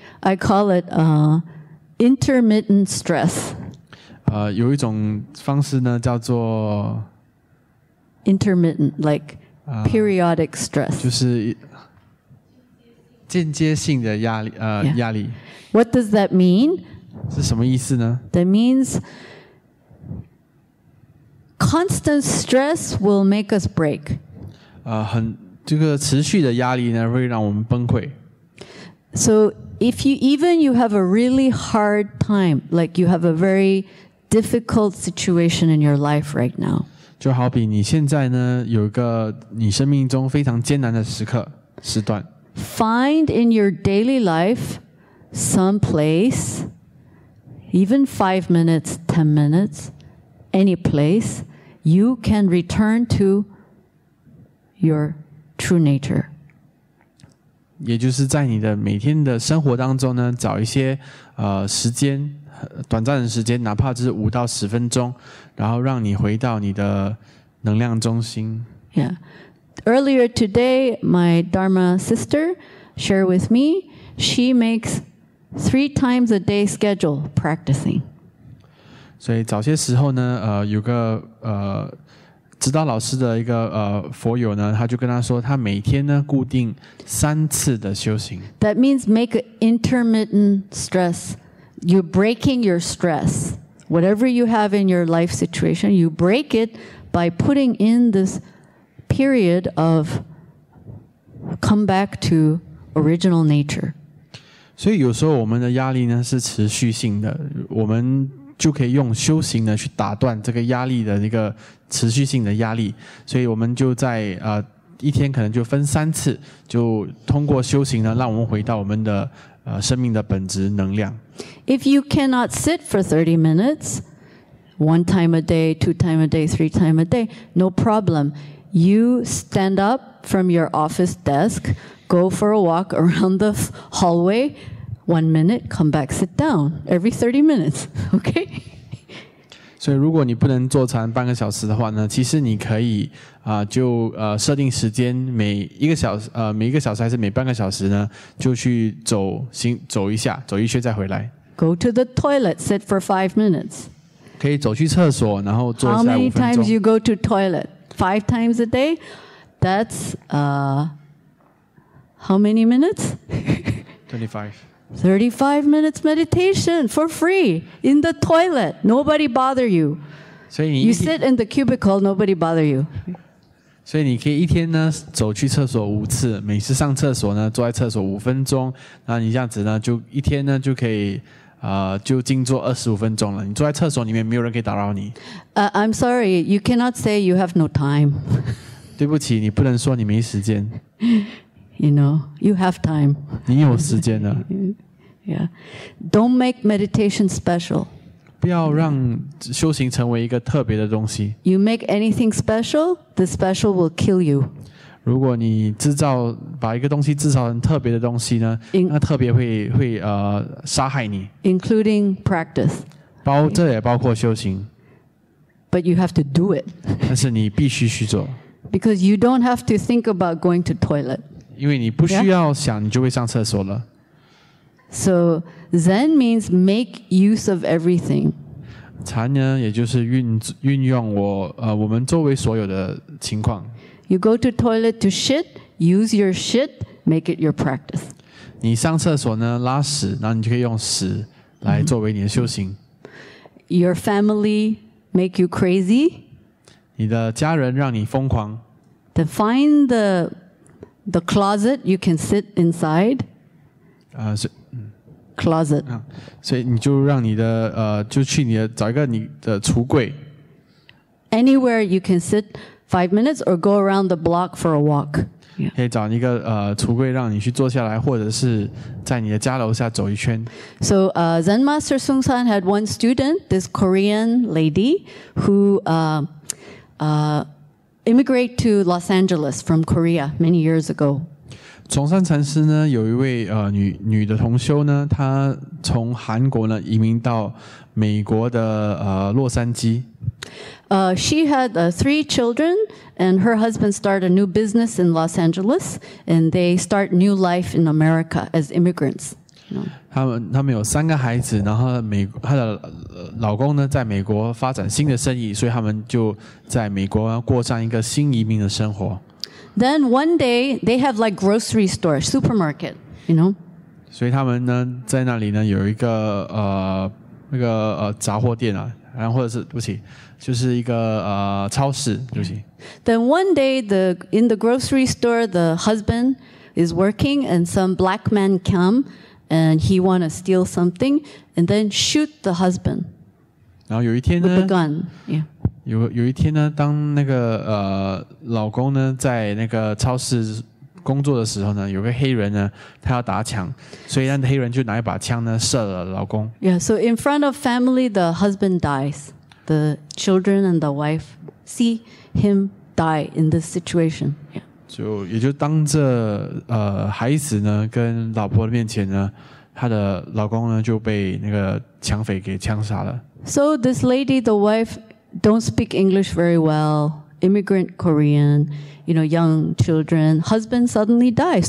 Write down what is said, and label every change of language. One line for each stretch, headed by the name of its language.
English: I call it, intermittent stress.
Chinese: 有一种方式呢叫做
English: intermittent, like periodic stress.
Chinese: 就是间接性的压力压力。
English: What does that mean?
Chinese: 是什么意思呢?
English: That means constant stress will make us break.
Chinese: 这个持续的压力呢会让我们崩溃。
English: So if you even you have a really hard time, like you have a very difficult situation in your life right now.
Chinese: 就好比你现在呢有一个你生命中非常艰难的时段。
English: Find in your daily life some place even 5 minutes, 10 minutes, any place, you can return to your true nature.
Chinese: 也就是在你的每天的生活当中呢，找一些时间，短暂的时间，哪怕只是5到10分钟，然后让你回到你的能量中心。
English: Yeah. Earlier today, my Dharma sister shared with me, she makes 3 times a day schedule practicing.
Chinese: 所以早些时候呢，有个指导老师的一个佛友呢，他就跟他说，他每天呢固定3次的修行。
English: That means make an intermittent stress. You're breaking your stress. Whatever you have in your life situation, you break it by putting in this period of come back to original nature.
Chinese: 所以有时候我们的压力呢是持续性的，我们就可以用修行呢去打断这个压力的一个持续性的压力，所以我们就在一天可能就分3次，就通过修行呢让我们回到我们的生命的本质能量。
English: If you cannot sit for 30 minutes, one time a day, two time a day, three time a day, no problem. You stand up from your office desk, go for a walk around the hallway, 1 minute, come back, sit down, every 30 minutes, okay?
Chinese: 所以如果你不能坐禅半个小时的话呢，其实你可以就设定时间，每一个小时还是每半个小时呢，就去走一下，走一圈再回来。
English: Go to the toilet, sit for 5 minutes.
Chinese: 可以走去厕所，然后坐一下5分
English: 钟。How many times you go to toilet? 5 times a day? That's how many minutes? 25. 35 minutes meditation for free in the toilet. Nobody bother you. You sit in the cubicle, nobody bother you.
Chinese: 所以你可以一天呢走去厕所5次，每次上厕所呢坐在厕所5分钟，那你这样子呢就一天呢就可以就静坐25分钟了。你坐在厕所里面，没有人可以打扰你。
English: I'm sorry, you cannot say you have no time.
Chinese: 对不起，你不能说你没时间。
English: You know, you have time.
Chinese: 你有时间的。
English: Yeah. Don't make meditation special.
Chinese: 不要让修行成为一个特别的东西。
English: You make anything special, the special will kill you.
Chinese: 如果你把一个东西制造成特别的东西呢，那特别会杀害你。
English: Including practice.
Chinese: 这也包括修行。
English: But you have to do it.
Chinese: 但是你必须去做。
English: Because you don't have to think about going to toilet.
Chinese: 因为你不需要想，你就会上厕所了。
English: So Zen means make use of everything.
Chinese: 禅呢，也就是运用我们周围所有的情况。
English: You go to toilet to shit, use your shit, make it your practice.
Chinese: 你上厕所呢，拉屎，然后你就可以用屎来作为你的修行。
English: Your family make you crazy.
Chinese: 你的家人让你疯狂。
English: To find the closet you can sit inside. Closet.
Chinese: 所以你就让你的就去你的找一个你的橱柜。
English: Anywhere you can sit 5 minutes or go around the block for a walk.
Chinese: 可以找一个橱柜让你去坐下来，或者是在你的家楼下走一圈。
English: So Zen Master Sung San had one student, this Korean lady, who immigrate to Los Angeles from Korea many years ago.
Chinese: 崇山禅师呢，有一位女的同修呢，她从韩国呢移民到美国的洛杉矶。
English: She had 3 children, and her husband started a new business in Los Angeles, and they start new life in America as immigrants.
Chinese: 他们有3个孩子，然后她的老公呢在美国发展新的生意，所以他们就在美国过上一个新移民的生活。
English: Then one day they have like grocery store, supermarket, you know.
Chinese: 所以他们呢在那里呢有一个杂货店啊，然后或者是对不起，就是一个超市，对不起。
English: Then one day in the grocery store, the husband is working and some black man come. And he want to steal something, and then shoot the husband.
Chinese: 然后有一天呢
English: with the gun. Yeah.
Chinese: 有一天呢，当那个老公呢在那个超市工作的时候呢，有个黑人呢，他要打枪，所以那黑人就拿一把枪呢射了老公。
English: Yeah, so in front of family, the husband dies. The children and the wife see him die in this situation. Yeah.
Chinese: 就也就当着孩子呢跟老婆的面前呢，他的老公呢就被那个抢匪给枪杀了。
English: So this lady, the wife, don't speak English very well. Immigrant Korean, you know, young children, husband suddenly dies.